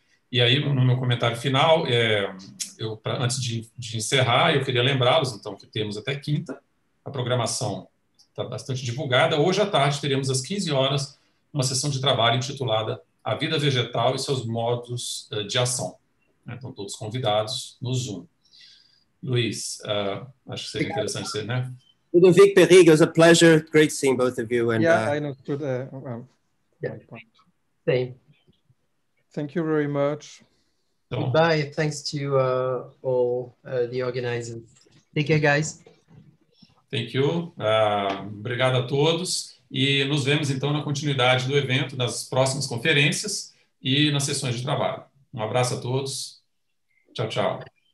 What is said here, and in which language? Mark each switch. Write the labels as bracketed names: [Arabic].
[Portuguese] E aí, no meu comentário final, antes de encerrar, eu queria lembrá-los, então, que temos até quinta, a programação está bastante divulgada. Hoje à tarde teremos às 15 horas uma sessão de trabalho intitulada A Vida Vegetal e Seus Modos de Ação. Então, todos convidados no Zoom. Luiz, acho que seria interessante ser, né? [English] Ludovic, Perig, it was a pleasure. Great seeing both of you. And, yeah, I understood my point. Same. Thank you very much. So. Bye. Thanks to all the organizers. Take care, guys. Thank you. [Portuguese] Obrigado a todos. E nos vemos, então, na continuidade do evento, nas próximas conferências e nas sessões de trabalho. Um abraço a todos. Tchau, tchau.